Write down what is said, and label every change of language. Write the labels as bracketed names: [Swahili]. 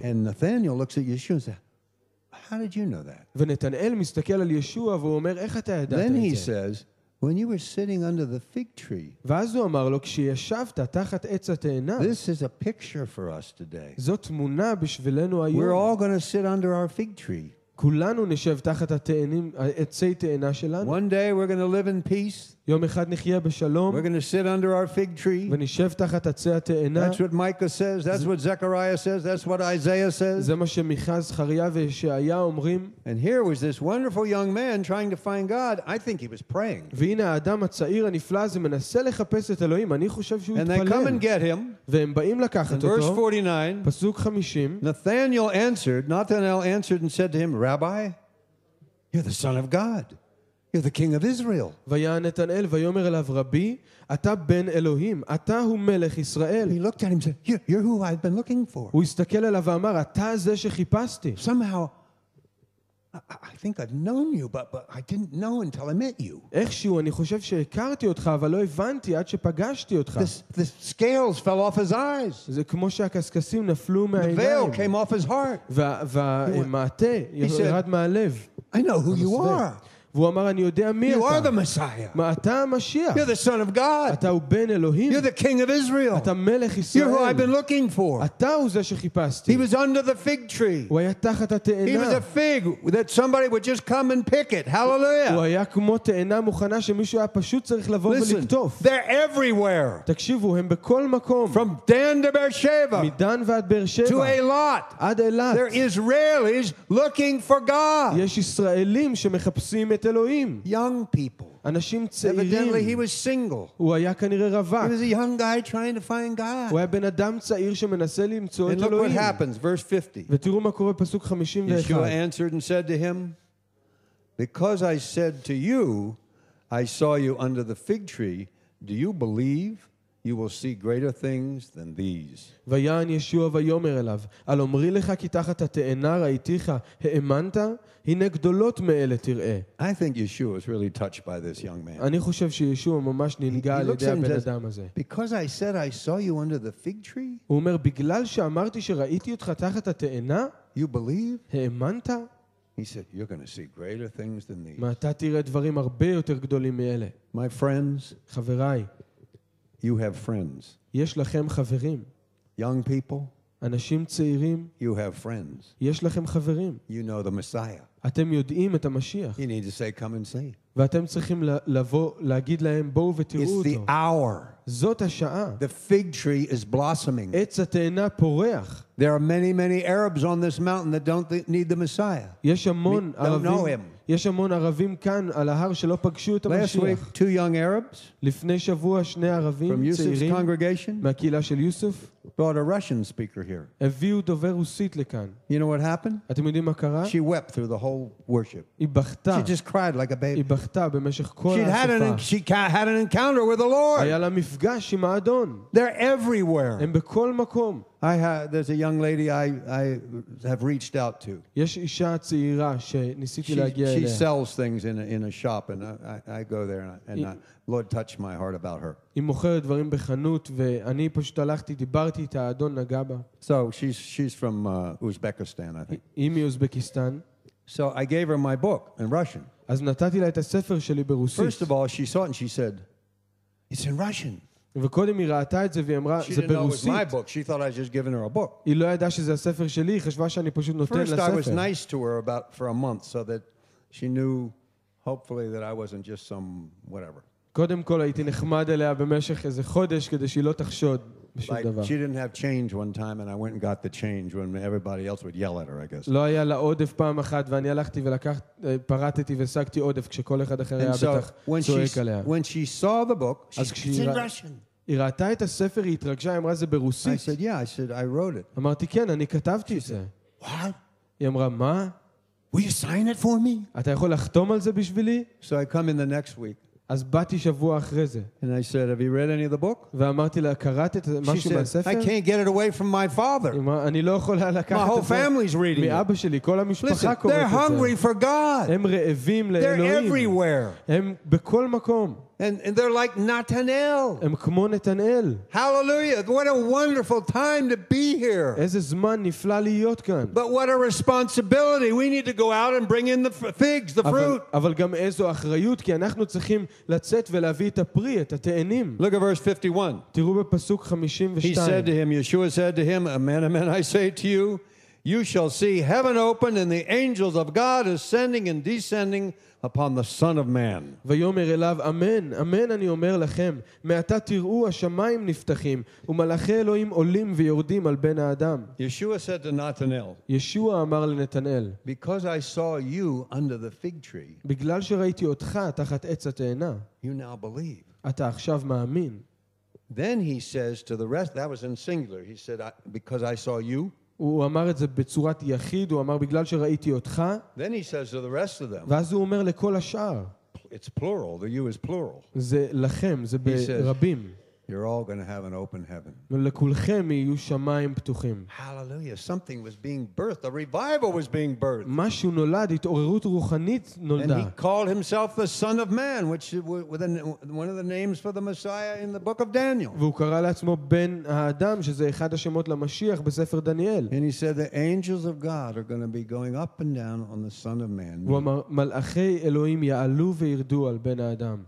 [English] And Nathanael looks at Yeshua and says, how did you know that? [Hebrew] ונתנאל מסתכל על ישוע והוא אומר איך אתה ידעת את זה? [English] Then he says, when you were sitting under the fig tree. [Hebrew] ואז הוא אמר לו כשישבת תחת עץ התאנה. [English] This is a picture for us today. [Hebrew] זאת תמונה בשבילנו היום. [English] We're all going to sit under our fig tree. [Hebrew] כולנו נשב תחת התאנים, עצי תאנה שלנו. [English] One day we're going to live in peace. [Hebrew] יום אחד נחיה בשלום. [English] We're going to sit under our fig tree. [Hebrew] ונשב תחת עצי התאנה. [English] That's what Micah says. That's what Zechariah says. That's what Isaiah says. [Hebrew] זה מה שמיכה, זכריה וישעיה אומרים. [English] And here was this wonderful young man trying to find God. I think he was praying. [Hebrew] והנה האדם הצעיר הנפלא הזה מנסה לחפש את אלוהים. אני חושב שהוא התפלל. [English] And they come and get him. [Hebrew] והם באים לקחת אותו. [English] Verse 49. [Hebrew] פסוק 50. [English] Nathanael answered and said to him, Rabbi, you're the son of God. You're the king of Israel. [Hebrew] ויען נתנאל ויאמר אליו רבי, אתה בן אלוהים, אתה הוא מלך ישראל. [English] He looked at him and said, you're who I've been looking for. [Hebrew] הוא הסתכל עליו ואמר, אתה זה שחיפשתי. [English] Somehow, I think I've known you, but I didn't know until I met you. [Hebrew] איכשהו, אני חושב שהכרתי אותך, אבל לא הבנתי עד שפגשתי אותך. [English] The scales fell off his eyes. [Hebrew] זה כמו שהקסקסים נפלו מהעיניים. [English] The veil came off his heart. [Hebrew] והמעטה ירד מהלב. [English] I know who you are. [Hebrew] והוא אמר, אני יודע מי אתה. [English] You are the Messiah. [Hebrew] אתה המשיח. [English] You're the son of God. [Hebrew] אתה הוא בן אלוהים. [English] You're the king of Israel. [Hebrew] אתה מלך ישראל. [English] You're who I've been looking for. [Hebrew] אתה הוא זה שחיפשתי. [English] He was under the fig tree. [Hebrew] הוא היה תחת התאנה. [English] He was a fig that somebody would just come and pick it. Hallelujah. [Hebrew] הוא היה כמו תאנה מוכנה שמישהו היה פשוט צריך לבוא ולקטוף. [English] Listen, they're everywhere. [Hebrew] תקשיבו, הם בכל מקום. [English] From Dan to Beersheba. [Hebrew] מדן ועד באר-שבע. [English] To Eilat. [Hebrew] עד אילת. [English] There are Israelis looking for God. [Hebrew] יש ישראלים שמחפשים את אלוהים. [English] Young people. [Hebrew] אנשים צעירים. [English] Evidently he was single. [Hebrew] הוא היה כנראה רווק. [English] He was a young guy trying to find God. [Hebrew] הוא היה בן אדם צעיר שמנסה למצוא את אלוהים. [English] And look what happens, verse 50. [Hebrew] ותראו מה קורה פסוק 51. [English] Yeshua answered and said to him, because I said to you, I saw you under the fig tree, do you believe? You will see greater things than these. [Hebrew] ויען ישוע ויאמר אליו, אל אומרי לך כי תחת התאנה ראיתיך, האמנת? הנה גדולות מאלה תראה. [English] I think Yeshua is really touched by this young man. [Hebrew] אני חושב שישוע ממש נלגע על ידי הבן אדם הזה. [English] Because I said I saw you under the fig tree? [Hebrew] הוא אומר, בגלל שאמרתי שראיתי אותך תחת התאנה? [English] You believe? [Hebrew] האמנת? [English] He said, you're going to see greater things than these. [Hebrew] מה, אתה תראה דברים הרבה יותר גדולים מאלה. [English] My friends. [Hebrew] חבריי. [English] You have friends. [Hebrew] יש לכם חברים. [English] Young people. [Hebrew] אנשים צעירים. [English] You have friends. [Hebrew] יש לכם חברים. [English] You know the Messiah. [Hebrew] אתם יודעים את המשיח. [English] You need to say, come and see. [Hebrew] ואתם צריכים לבוא, להגיד להם, בואו ותראו אותו. [English] It's the hour. [Hebrew] זאת השעה. [English] The fig tree is blossoming. [Hebrew] עץ התאנה פורח. [English] There are many, many Arabs on this mountain that don't need the Messiah. [Hebrew] יש המון ערבים. [English] Don't know him. [Hebrew] יש המון ערבים כאן על ההר שלא פגשו את המשיח. [English] Last week, two young Arabs. [Hebrew] לפני שבוע, שני ערבים [English] from Yusuf's [Hebrew] צעירים, [English] congregation. [Hebrew] מהקהילה של יוסף. [English] Brought a Russian speaker here. [Hebrew] הביאו דובר רוסית לכאן. [English] You know what happened? [Hebrew] אתם יודעים מה קרה? [English] She wept through the whole worship. [Hebrew] היא בכתה. [English] She just cried like a baby. [Hebrew] היא בכתה במשך כל השפה. [English] She had an encounter with the Lord. [Hebrew] היה לה מפגש עם האדון. [English] They're everywhere. [Hebrew] הם בכל מקום. [English] There's a young lady I have reached out to. [Hebrew] יש אישה צעירה שניסיתי להגיע אליה. [English] She sells things in a shop, and I go there and Lord touched my heart about her. [Hebrew] היא מוכרת דברים בחנות, ואני פשוט הלכתי, דיברתי את האדון נגע בה. [English] So she's from Uzbekistan, I think. [Hebrew] היא מאוזבקיסטן. [English] So I gave her my book in Russian. [Hebrew] אז נתתי לה את הספר שלי ברוסית. [English] First of all, she saw it and she said, "It's in Russian." [Hebrew] וקודם היא ראתה את זה והיא אמרה, זה ברוסית. [English] She didn't know it was my book. She thought I just given her a book. [Hebrew] היא לא ידעה שזה הספר שלי. היא חשבה שאני פשוט נותן לה ספר. [English] First, I was nice to her about for a month so that she knew, hopefully, that I wasn't just some whatever. [Hebrew] קודם כל הייתי נחמד אליה במשך איזה חודש כדי שהיא לא תחשוד בשום דבר. [English] She didn't have change one time and I went and got the change when everybody else would yell at her, I guess. [Hebrew] לא היה לה עודף פעם אחת ואני הלכתי ולקחת, פרטתי ושגתי עודף כשכל אחד אחר היה בטח צועק עליה. [English] When she saw the book, she said, it's in Russian. [Hebrew] היא ראתה את הספר, היא התרגשה, אמרה זה ברוסית. [English] I said, yeah, I said, I wrote it. [Hebrew] אמרתי, כן, אני כתבתי את זה. [English] What? [Hebrew] היא אמרה, מה? [English] Will you sign it for me? [Hebrew] אתה יכול לחתום על זה בשבילי? [English] So I come in the next week. [Hebrew] אז באתי שבוע אחרי זה. [English] And I said, have you read any of the book? [Hebrew] ואמרתי לה, קראת את משהו בספר? [English] She said, I can't get it away from my father. [Hebrew] אני לא יכולה לקחת את זה. [English] My whole family's reading it. [Hebrew] מאבא שלי, כל המשפחה קוראת את זה. [English] They're hungry for God. [Hebrew] הם רעבים לאלוהים. [English] They're everywhere. [Hebrew] הם בכל מקום. [English] And they're like Nathanael. [Hebrew] הם כמו נתנאל. [English] Hallelujah. What a wonderful time to be here. [Hebrew] איזה זמן נפלא להיות כאן. [English] But what a responsibility. We need to go out and bring in the figs, the fruit. [Hebrew] אבל גם איזו אחריות, כי אנחנו צריכים לצאת ולהביא את הפרי, את התאנים. [English] Look at verse 51. [Hebrew] תראו בפסוק 52. [English] He said to him, Yeshua said to him, Amen, amen, I say to you, you shall see heaven open and the angels of God ascending and descending upon the Son of Man. [Hebrew] ויאמר אליו, אמן, אמן אני אומר לכם, מעתה תראו השמיים נפתחים, ומלאכי אלוהים עולים ויורדים על בן האדם. [English] Yeshua said to Nathanael, [Hebrew] ישועה אמר לנתנאל, [English] because I saw you under the fig tree, [Hebrew] בגלל שראיתי אותך תחת עץ התאנה, [English] you now believe. [Hebrew] אתה עכשיו מאמין. [English] Then he says to the rest, that was in singular, he said, because I saw you, [Hebrew] הוא אמר את זה בצורת יחיד, הוא אמר, בגלל שראיתי אותך. [English] Then he says to the rest of them. [Hebrew] ואז הוא אומר לכל השאר. [English] It's plural, the you is plural. [Hebrew] זה לכם, זה ברבים. [English] You're all going to have an open heaven. [Hebrew] ולכולכם יהיו שמיים פתוחים. [English] Hallelujah, something was being birthed. A revival was being birthed. [Hebrew] משהו נולד, התעוררות רוחנית נולדה. [English] And he called himself the Son of Man, which was one of the names for the Messiah in the book of Daniel. [Hebrew] והוא קרא לעצמו בן האדם, שזה אחד השמות למשיח בספר דניאל. [English] And he said, the angels of God are going to be going up and down on the Son of Man. [Hebrew] והוא אמר, מלאכי אלוהים יעלו וירדו על בן האדם.